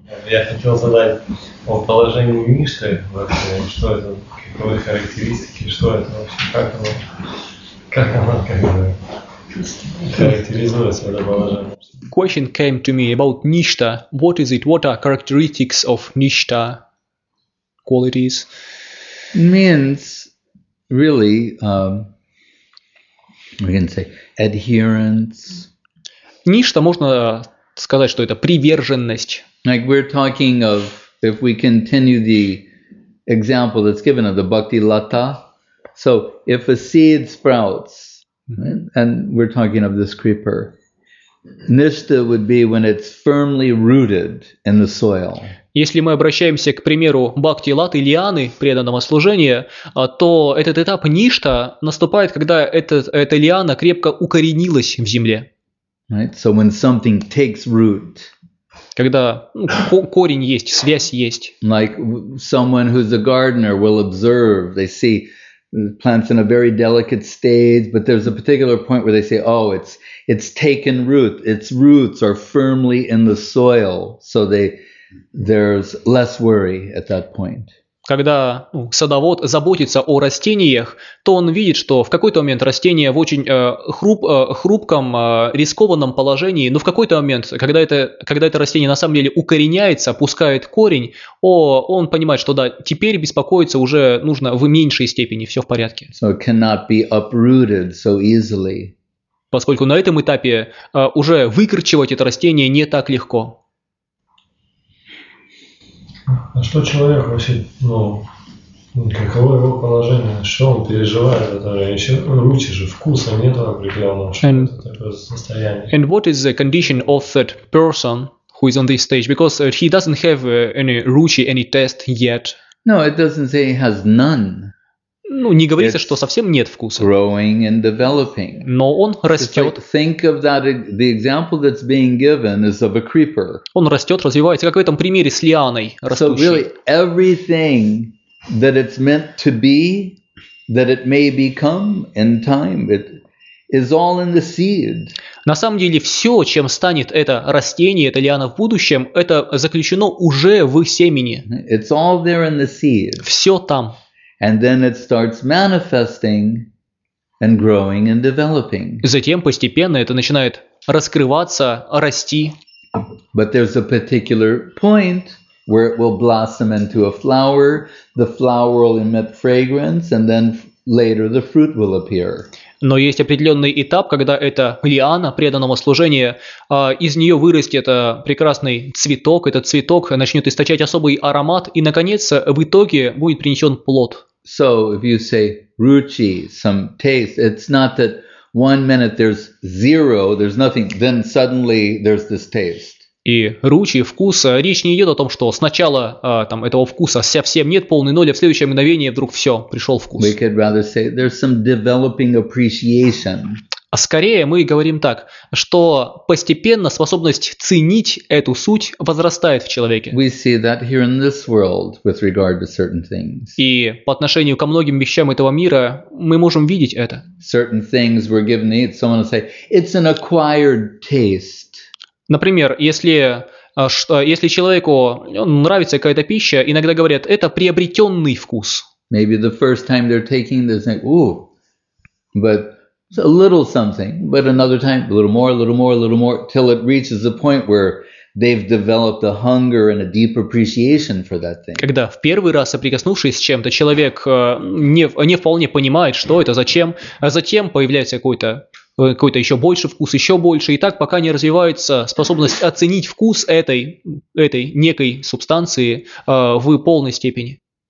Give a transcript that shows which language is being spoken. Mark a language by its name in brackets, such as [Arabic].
[Russian] я хотел задать о положении мишки вообще, что это, какие характеристики, что это вообще, как оно как бы характеризуется, это положение. [English] Question came to me about ништа. What is it? What are characteristics of ништа qualities? Means really, we can say adherence. [Russian] Ништа можно сказать, что это приверженность. [English] Like we're talking of, if we continue the example that's given of the bhakti lata. So if a seed sprouts, right, and we're talking of this creeper. Ништа would be when it's firmly rooted in the soil. [Russian] Если мы обращаемся к примеру бхакти латы лианы преданного служения, то этот этап ништа наступает, когда эта лиана крепко укоренилась в земле. [English] Right? So when something takes root. [Russian] Когда корень есть, связь есть. [English] Like someone who's a gardener will observe, they see plants in a very delicate stage, but there's a particular point where they say, oh, it's taken root. Its roots are firmly in the soil, so there's less worry at that point. [Russian] Когда садовод заботится о растениях, то он видит, что в какой-то момент растение в очень хрупком, рискованном положении, но в какой-то момент, когда это растение на самом деле укореняется, пускает корень, он понимает, что да, теперь беспокоиться уже нужно в меньшей степени, все в порядке. [English] So it cannot be uprooted so easily. [Russian] Поскольку на этом этапе уже выкорчевать это растение не так легко. А что человек вообще, ну, каково его положение, что он переживает, это еще руки же, вкуса нету определенного, что [English] and, [Russian] это такое состояние. [English] And what is the condition of that person who is on this stage? Because he doesn't have any ruchi, any taste yet. No, it doesn't say he has none. [Russian] Ну, не говорится, что совсем нет вкуса. [English] Growing and developing. [Russian] Но он растет. [English] Think of that, the example that's being given is of a creeper. [Russian] Он растет, развивается, как в этом примере с лианой растущей. [English] So really, everything that it's meant to be, that it may become in time, it is all in the seed. [Russian] На самом деле, все, чем станет это растение, эта лиана в будущем, это заключено уже в семени. [English] It's all there in the seed. [Russian] Все там. [English] And then it starts manifesting and growing and developing. [Russian] Затем постепенно это начинает раскрываться, расти. [English] But there's a particular point where it will blossom into a flower, the flower will emit fragrance, and then later the fruit will appear. [Russian] Но есть определенный этап, когда эта лиана преданного служения, из нее вырастет прекрасный цветок, этот цветок начнет источать особый аромат, и, наконец, в итоге будет принесен плод. [English] So, if you say ruchi, some taste, it's not that one minute there's zero, there's nothing, then suddenly there's this taste. [Russian] И ручьи, вкус, речь не идет о том, что сначала там, этого вкуса совсем нет, полный ноль, а в следующее мгновение вдруг все, пришел вкус. [English] We could rather say there's some developing appreciation. [Russian] А скорее мы говорим так, что постепенно способность ценить эту суть возрастает в человеке. [English] We see that here in this world with regard to certain things. [Russian] И по отношению ко многим вещам этого мира мы можем видеть это. [English] Certain things were given, someone will say, it's an acquired taste. [Russian] Например, если человеку нравится какая-то пища, иногда говорят, это приобретенный вкус. [English] Maybe the first time they're taking this, like, ooh, but it's a little something. But another time, a little more, a little more, a little more, till it reaches the point where they've developed a hunger and a deep appreciation for that thing. [Russian] Когда в первый раз соприкоснувшись с чем-то, человек не вполне понимает, что это, зачем, а затем появляется какой-то еще больше вкус, еще больше, и так пока не развивается способность оценить вкус этой некой субстанции в полной степени.